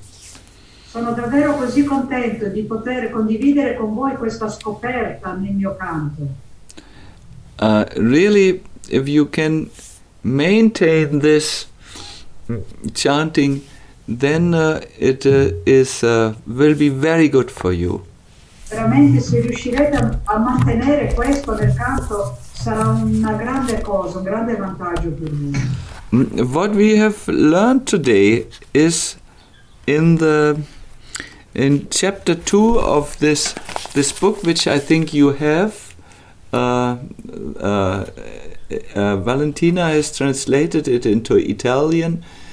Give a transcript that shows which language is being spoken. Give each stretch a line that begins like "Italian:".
Italian: Sono davvero così contento di poter condividere con voi questa scoperta nel mio canto.
English: Really, if you can maintain this chanting, then will be very good for you.
Italian: Veramente, se riuscirete a mantenere questo nel canto, sarà una grande cosa, un grande vantaggio per voi.
English: What we have learned today is in chapter 2 of this book, which I think you have, Valentina has translated it into Italian.